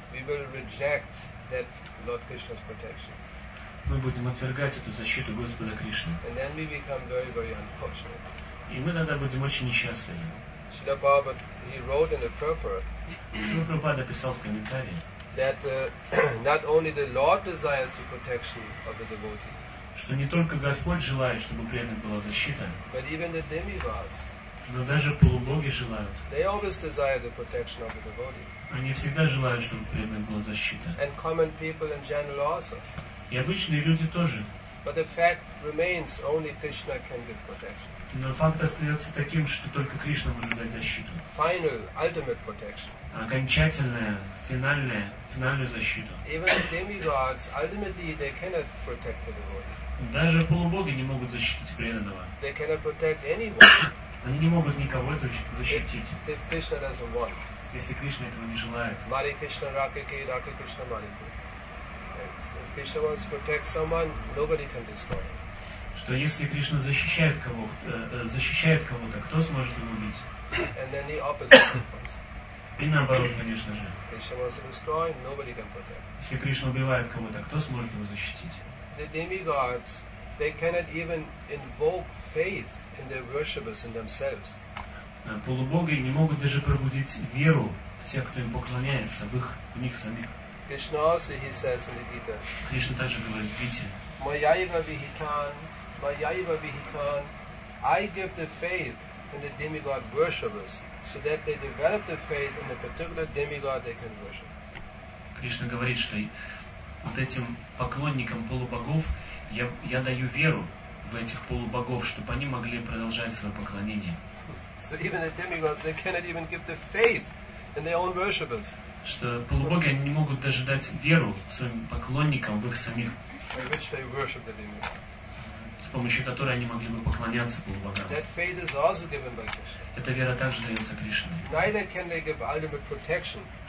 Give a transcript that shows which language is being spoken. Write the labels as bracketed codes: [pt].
[en] We will reject that Lord Krishna's protection. [ru] Мы будем отвергать эту защиту Господа Кришны. [en] And then we become very, very unfortunate. [ru] И мы тогда будем очень несчастливы. [en] Srila Prabhupada, he wrote in the purport. [ru] Прабхупада писал в комментарии, [en] that not only the Lord desires the protection of the devotee, [ru] что не только Господь желает, чтобы у преданных была защита, [en] but even the demigods, [ru] но даже полубоги желают. [en] They always desire the protection of the devotee. [ru] Они всегда желают, чтобы у преданных была защита. [en] And common people in general also. [ru] И обычные люди тоже. [en] But the fact remains, only Krishna can give protection. [ru] Но факт остается таким, что только Кришна может дать защиту. [en] Final, ultimate protection. [ru] Окончательная, финальную защиту. [en] Even the demigods, ultimately, they cannot protect the devotee. [ru] Даже полубоги не могут защитить преданного. [en] They cannot protect anyone. [ru] Они не могут никого защитить. [en] If Krishna doesn't want. [ru] Если Кришна этого не желает. Mari Krishna Raki Ki Raki Krishna Mari Ki. [en] If Krishna wants to protect someone, nobody can destroy. [ru] Что если Кришна защищает кого-то, кто сможет его убить? [en] And then the opposite. [ru] И наоборот, конечно же. [en] If Krishna wants to destroy, nobody can protect. [ru] Если Кришна убивает кого-то, кто сможет его защитить? [en] The demigods, they cannot even invoke faith in their worshippers in themselves. [ru] Полубоги не могут даже пробудить веру в тех, кто им поклоняется, в их, в них самих. [en] Krishna also, he says in the Gita. [ru] Кришна также говорит в Гите. [sa] Mayaiva vihitan, mayaiva vihitan. [en] I give the faith in the demigod worshippers so that they develop the faith in the particular demigod they can worship. [ru] Кришна говорит, что вот этим поклонникам полубогов я даю веру в этих полубогов, чтобы они могли продолжать свое поклонение. [en] So even the demigods, they cannot even give the faith in their own worshippers. [ru] Что полубоги они не могут даже дать веру своим поклонникам в их самих. [en] By which they worship the demigods. [ru] С помощью которой они могли бы поклоняться полубогам. [en] That faith is also given by Krishna. [ru] Эта вера также дается Кришне. [en] Neither can they give ultimate protection.